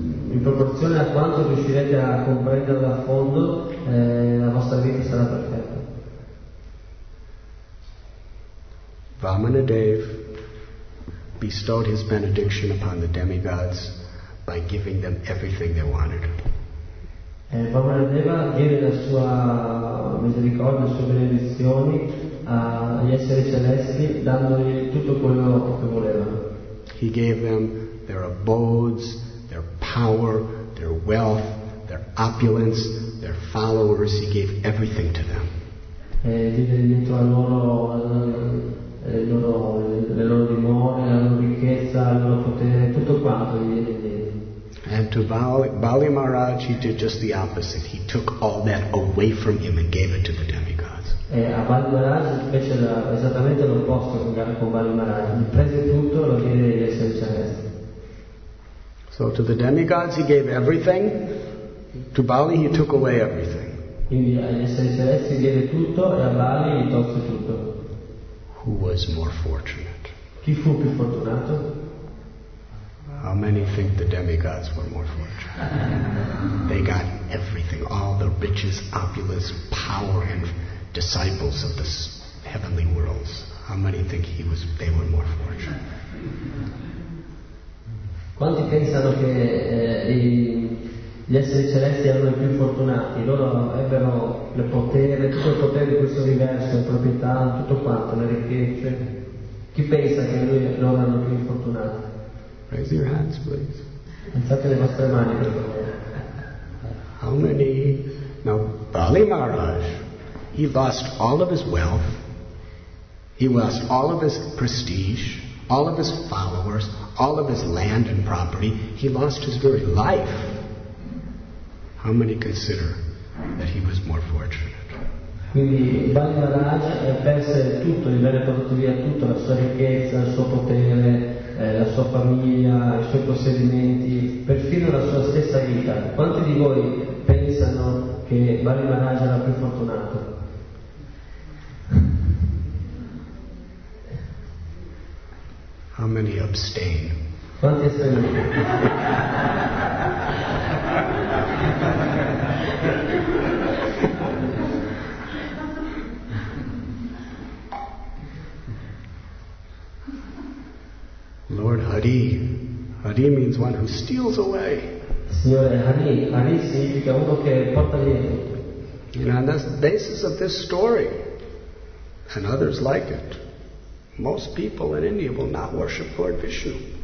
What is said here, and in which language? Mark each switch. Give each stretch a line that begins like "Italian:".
Italian: In proporzione a quanto riuscirete a comprenderlo a fondo, la vostra vita sarà perfetta.
English: Vamanadeva bestowed his benediction upon the demigods by giving them everything they wanted.
Italian: Vamanadeva diede la sua misericordia, le sue benedizioni agli esseri celesti, dandogli tutto quello che volevano.
English: He gave them their abodes, their power, their wealth, their opulence, their followers, he gave everything to them.
Italian: E diede dentro a loro le loro dimore, la loro ricchezza, il loro potere, tutto quanto gli diede.
English: And to Bali Maharaj, he did just the opposite. He took all that away from him and gave it to the demigods.
Italian: E a Bali Maharaj fece esattamente l'opposto con Bali Maharaj. Gli prese tutto e lo diede agli esseri celesti.
English: So to the demigods he gave everything. To Bali he took away everything.
Italian: Quindi agli esseri celesti diede tutto e a Bali gli tolse tutto.
English: Who was more fortunate?
Italian: Chi fu più fortunato?
English: How many think the demigods were more fortunate? They got everything, all the riches, opulence, power, and disciples of the heavenly worlds. How many think they were more fortunate?
Italian: Quanti pensano che gli esseri celesti erano i più fortunati? Loro ebbero il potere, tutto il potere di questo universo, le proprietà, tutto quanto, le ricchezze. Chi pensa che loro erano i più fortunati?
English: Raise your hands, please.
Italian: Alzate le vostre mani.
English: How many? Now, Bali Maharaj, he lost all of his wealth, he lost all of his prestige, all of his followers, all of his land and property, he lost his very life. How many consider that he was more fortunate?
Italian: Quindi Bali Maharaj perse tutto, gli venne portato via tutto, la sua ricchezza, il suo potere, la sua famiglia, i suoi possedimenti, perfino la sua stessa vita. Quanti di voi pensano che Bali Maharaj era più fortunato?
English: How many abstain?
Italian: Quanti astenuti?
English: Lord Hari. Hari means one who steals away.
Italian: Signore Hari. Hari significa uno che porta via tutto.
English: And on the basis of this story, and others like it, most people in India will not worship Lord Vishnu.